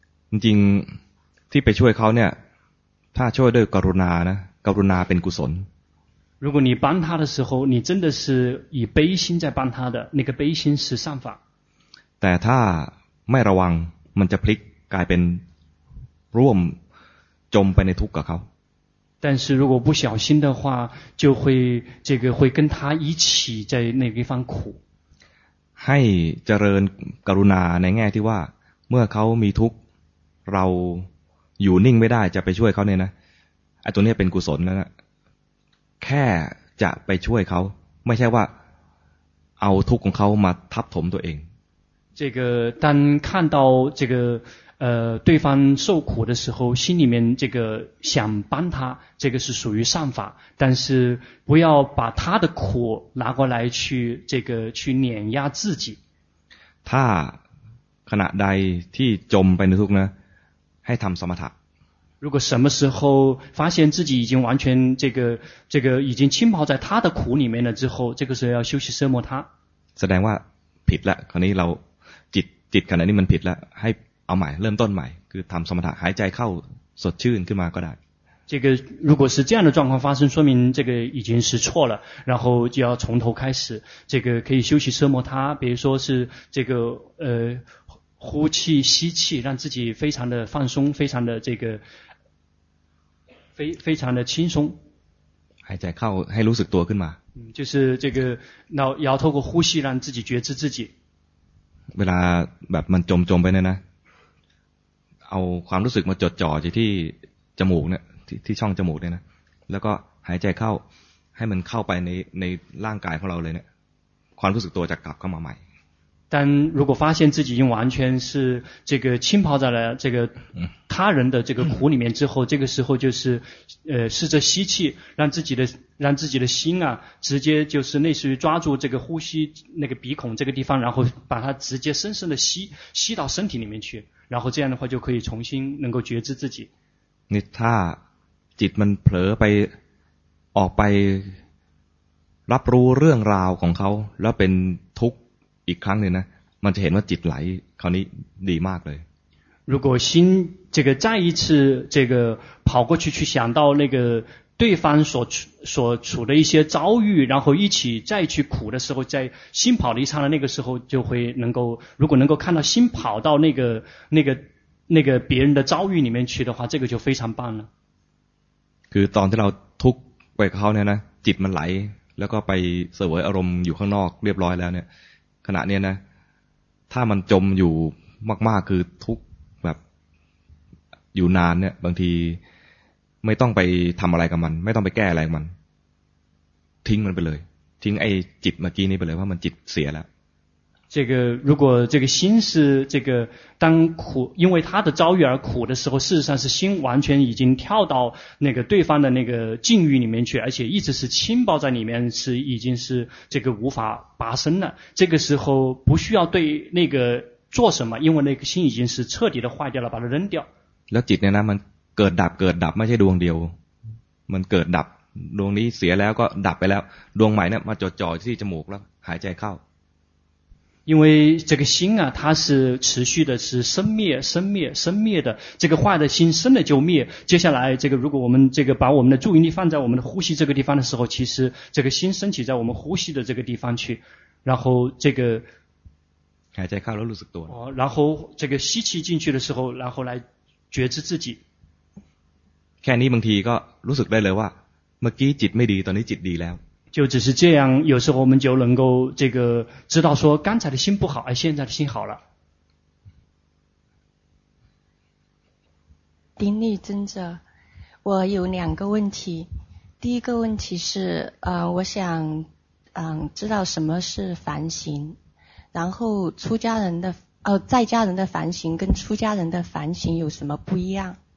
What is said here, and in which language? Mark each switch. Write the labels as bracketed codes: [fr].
[th] จริงที่ไปช่วยเขาเนี่ยถ้าช่วยด้วยกรุณานะกรุณาเป็นกุศล [zh] 如果你帮他的时候你真的是以悲心在帮他的那个悲心是善法 [th] แต่ถ้าไม่ระวังมันจะพลิกกลายเป็นร่วมจมไปในทุกข์กับเขา [zh] 但是如果不小心的话就会这个会跟他一起在那个地方苦 [th] ให้เจริญกรุณาในแง่ที่ว่าเมื่อเขามีทุกข์เราอยู่นิ่งไม่ได้จะไปช่วยเขาเนี่ยนะไอ้ตัวนี้เป็นกุศลแล้วนะแค่จะไปช่วยเขาไม่ใช่ว่าเอาทุกข์ของเขามาทับถมตัวเอง [zh] 这个当看到这个对方受苦的时候，心里面这个想帮他，这个是属于善法，但是不要把他的苦拿过来去这个去碾压自己。 [th] 他ขณะใดที่จมไปในทุกข์นะให้ทำสมถะ [zh] 如果什么时候发现自己已经完全这个已经浸泡在他的苦里面了之后，这个时候要休息奢摩他。 [th] แสดงว่าผิดละคราวนี้เราจิตขณะนี้มันผิดละให้เอาใหม่เริ่มต้นใหม่คือทำสมถะหายใจเข้าสดชื่นขึ้นมาก็ได้ [zh] 这个如果是这样的状况发生，说明这个已经是错了，然后就要从头开始。这个可以休息奢摩他，比如说是这个呼气吸气，让自己非常的放松，非常的这个非常的轻松。 [th] หายใจเข้าให้รู้สึกตัวขึ้นมา [zh] 就是这个要透过呼吸让自己觉知自己。 [th] เวลาแบบมันจมไปเนี่ยนะเอาความรู้สึกมาจดจ่ออยู่ที่จมูกเนี่ย ที่ช่องจมูกเนี่ยนะแล้วก็หายใจเข้าให้มันเข้าไปในร่างกายของเราเลยเนี่ยความรู้สึกตัวจะกลับเข้ามาใหม่ [zh] 但如果发现自己已经完全是这个浸泡在了这个他人的这个苦里面之后，这个时候就是试着吸气，让自己的心啊，直接就是类似于抓住这个呼吸那个鼻孔这个地方，然后把它直接深深的吸到身体里面去，然后这样的话就可以重新能够觉知自己。你他 [th] จิตมันเผลอไปออกไปรับรู้เรื่องราวของเขาแล้วเป็นทุกข์อีกครั้งหนึ่งนะมันจะเห็นว่าจิตไหลคราวนี้ดีมากเลย [zh] 如果心这个再一次这个跑过去想到那个对方所处的一些遭遇，然后一起再去苦的时候，在心跑了一刹那，那个时候就会能够，如果能够看到心跑到那个别人的遭遇里面去的话，这个就非常棒了。 [th] คือตอนที่เราทุกข์ไปเข้าเนี่ยนะจิตมันไหลแล้วก็ไปเสวยอารมณ์อยู่ข้างนอกเรียบร้อยแล้วเนี่ยขณะนี้นะถ้ามันจมอยู่มากๆคือทุกแบบอยู่นานเนี่ยบางทีไม่ต้องไปทำอะไรกับมันไม่ต้องไปแก้อะไรมันทิ้งมันไปเลยทิ้งไอ้จิตเมื่อกี้นี้ไปเลยว่ามันจิตเสียแล้ว [zh] 这个如果这个心是这个当苦因为他的遭遇而苦的时候，事实上是心完全已经跳到那个对方的那个境遇里面去，而且一直是浸泡在里面，是已经是这个无法拔身了。这个时候不需要对那个做什么，因为那个心已经是彻底的坏掉了，把它扔掉。 [th] แล้วจิตเนี่ยนะมันเกิดดับเกิดดับไม่ใช่ดวงเดียวมันเกิดดับดวงนี้เสียแล้วก็ดับไปแล้วดวงใหม่เนี่ยมาจดจ่อที่จมูกแล้วหายใจเข้า [zh] 因为这个心啊，它是持续的，是生灭、生灭、生灭的。这个坏的心生了就灭。接下来，这个如果我们这个把我们的注意力放在我们的呼吸这个地方的时候，其实这个心升起在我们呼吸的这个地方去，然后这个，还在看了六十多。哦，然后这个吸气进去的时候，然后来觉知自己。 [th] แค่นี้บางทีก็รู้สึกได้เลยว่าเมื่อกี้จิตไม่ดีตอนนี้จิตดีแล้ว [zh] 就只是这样，有时候我们就能够这个知道说刚才的心不好，而现在的心好了。顶礼尊者，我有两个问题。第一个问题是，我想，知道什么是凡行，然后出家人的在家人的凡行跟出家人的凡行有什么不一样？